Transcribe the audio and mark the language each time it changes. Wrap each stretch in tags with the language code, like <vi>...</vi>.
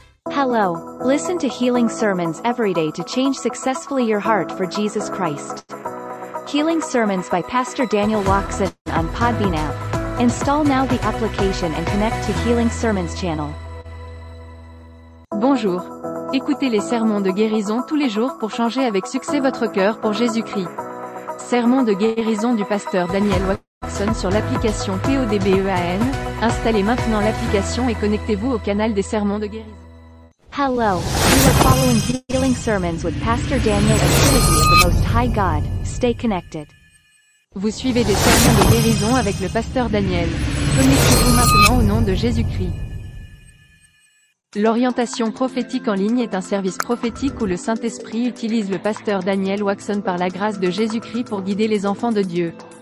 <en>Hello. Listen to Healing Sermons every day to change successfully your heart for Jesus Christ. Healing Sermons by Pastor Daniel Watson on Podbean app. Install now the application and connect to Healing Sermons channel.</en> <fr>Bonjour. Écoutez les sermons de guérison tous les jours pour changer avec succès votre cœur pour Jésus-Christ. Sermon de guérison du pasteur Daniel Watson sur l'application PODBEAN. Installez maintenant l'application et connectez-vous au canal des sermons de guérison.</fr> <en>Hello, you are following Healing Sermons with Pastor Daniel of Trinity of the Most High God. Stay connected.</en> <fr>Vous suivez des sermons de guérison avec le pasteur Daniel. Connectez-vous maintenant au nom de Jésus-Christ. L'orientation prophétique en ligne est un service prophétique où le Saint-Esprit utilise le pasteur Daniel Watson par la grâce de Jésus-Christ pour guider les enfants de Dieu.</fr>